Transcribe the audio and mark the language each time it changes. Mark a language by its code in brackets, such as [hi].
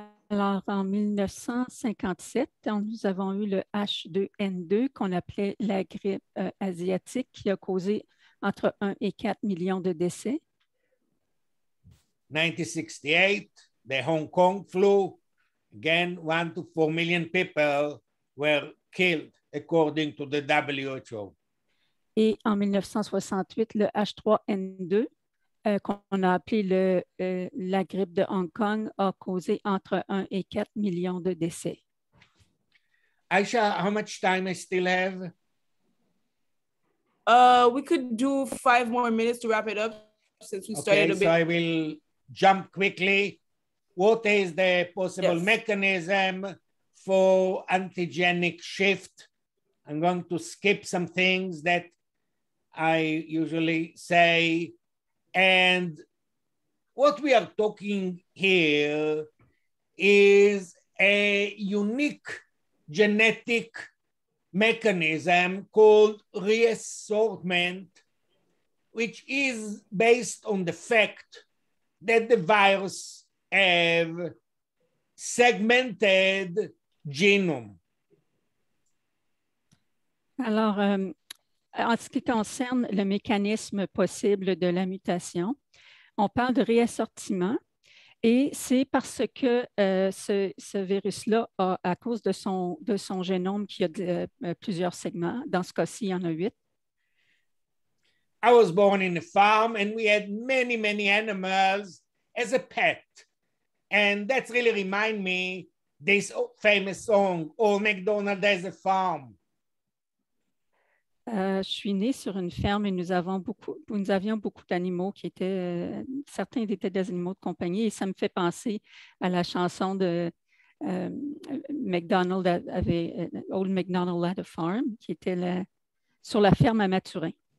[fr] Alors, en 1957, nous avons eu le H2N2 qu'on appelait la grippe asiatique qui a causé entre 1 et 4 millions de décès. [en] 1968, the Hong Kong flu, again 1 to 4 million people were killed according to the WHO. [fr] Et en 1968, le H3N2 qu'on a appelé la grippe de Hong Kong, a causé entre 1 et 4 millions de décès. [en] Aisha, how much time I still have? We could do 5 more minutes to wrap it up since we started a bit. Okay, so I will jump quickly. What is the possible mechanism for antigenic shift? I'm going to skip some things that I usually say. And what we are talking here is a unique genetic mechanism called reassortment, which is based on the fact that the virus have segmented genome. [fr] Alors, en ce qui concerne le mécanisme possible de la mutation, on parle de réassortiment et c'est parce que ce virus-là, à cause de son génome qui a plusieurs segments, dans ce cas-ci, il y en a 8. [en] I was born in a farm and we had many, many animals as a pet. And that really reminds me this famous song, Old MacDonald has a farm. [fr] Je suis née sur une ferme et nous avions beaucoup d'animaux qui étaient, certains étaient des animaux de compagnie et ça me fait penser à la chanson de Old MacDonald had a farm, qui était sur la ferme à Mathurin.